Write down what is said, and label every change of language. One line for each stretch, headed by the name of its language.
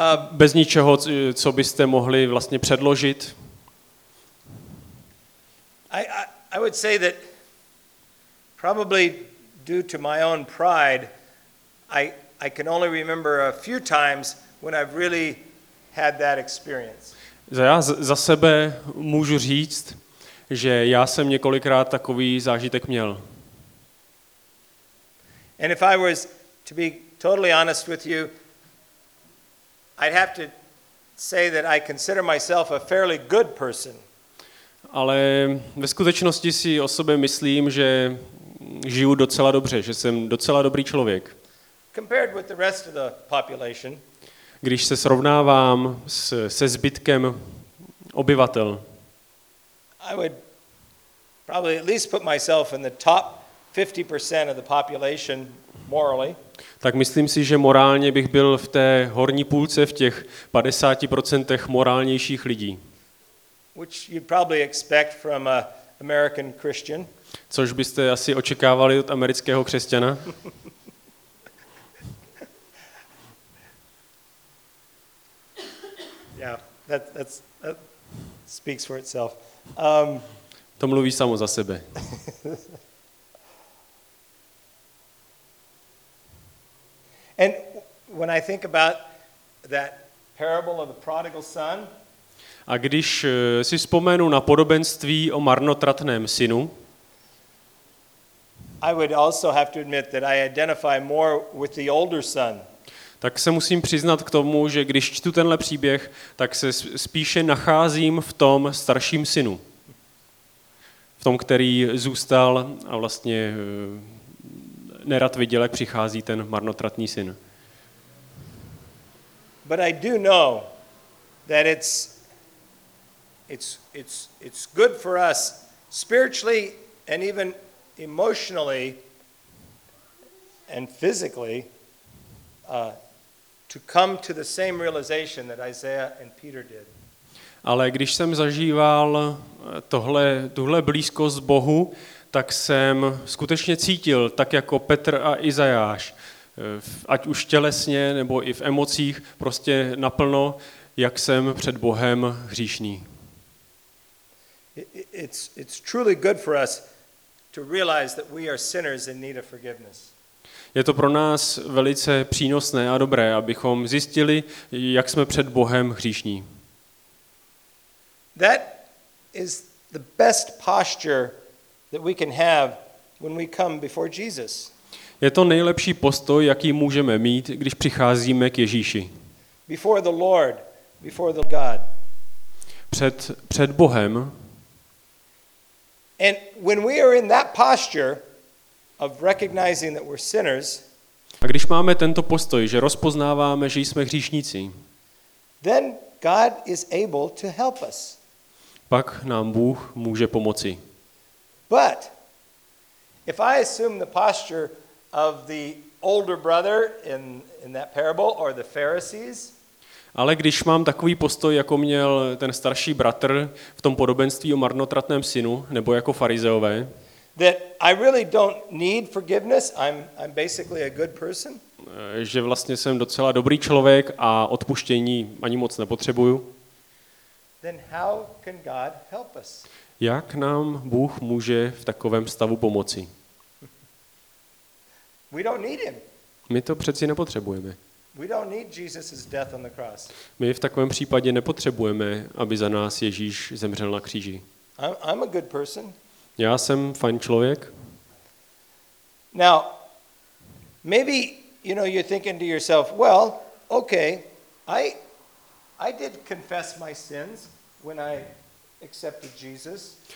Czech: Bez ničeho, co byste mohli vlastně předložit.
English: I would say that probably due to my own pride, I can only remember a few times when I've really had that experience.
Czech: Já za sebe můžu říct, že já jsem několikrát takový zážitek měl.
English: And if I was to be totally honest with you, I'd have to say that I consider myself a fairly good person.
Czech: Ale ve skutečnosti si o sobě myslím, že žiju docela dobře, že jsem docela dobrý člověk.
English: Compared with the rest of the population.
Czech: Když se srovnávám se zbytkem obyvatel.
English: I would probably at least put myself in the top 50% of the population morally.
Czech: Tak myslím si, že morálně bych byl v té horní půlce, v těch 50% morálnějších lidí.
English: Which you'd probably expect from an American Christian.
Czech: Což byste asi očekávali od amerického křesťana.
English: Yeah, that speaks for itself.
Czech: To mluví samo za sebe.
English: And when I think about that parable of the prodigal son,
Czech: a když si vzpomenu na podobenství o marnotratném synu,
English: I would also have to admit that I identify more with the older son.
Czech: Tak se musím přiznat k tomu, že když čtu tenhle příběh, tak se spíše nacházím v tom starším synu. V tom, který zůstal a vlastně nerad viděl, jak přichází ten marnotratný syn.
English: But I do know that it's good for us spiritually and even emotionally and physically to come to the same realization that Isaiah and Peter did.
Czech: Ale když jsem zažíval tuhle blízkost Bohu, tak jsem skutečně cítil, tak jako Petr a Izajáš, ať už tělesně nebo i v emocích, prostě naplno, jak jsem před Bohem hříšný.
English: It's truly good for us to realize that we are sinners in need of forgiveness.
Czech: Je to pro nás velice přínosné a dobré, abychom zjistili, jak jsme před Bohem hříšní.
English: That is the best posture that we can have when we come before Jesus.
Czech: Je to nejlepší postoj, jaký můžeme mít, když přicházíme k Ježíši.
English: Before the Lord, before the God.
Czech: Před Bohem.
English: And when we are in that posture of recognizing that we're sinners.
Czech: A když máme tento postoj, že rozpoznáváme, že jsme hříšníci.
English: Then God is able to help us.
Czech: Pak nám Bůh může pomoci.
English: But if I assume the posture of the older brother in that parable or the Pharisees.
Czech: Ale když mám takový postoj, jako měl ten starší bratr v tom podobenství o marnotratném synu nebo jako farizeové.
English: That I really don't need forgiveness. I'm basically a good person.
Czech: Že vlastně jsem docela dobrý člověk a odpuštění ani moc nepotřebuju.
English: Then how can God help us?
Czech: Jak nám Bůh může v takovém stavu pomoci?
English: We don't need him.
Czech: My to přeci nepotřebujeme.
English: We don't need Jesus's death on the cross.
Czech: My v takovém případě nepotřebujeme, aby za nás Ježíš zemřel na kříži.
English: I'm a good person.
Czech: Já jsem fajn člověk.
English: Now, maybe you know you're thinking to yourself, well, okay, I did confess my sins when I accepted Jesus.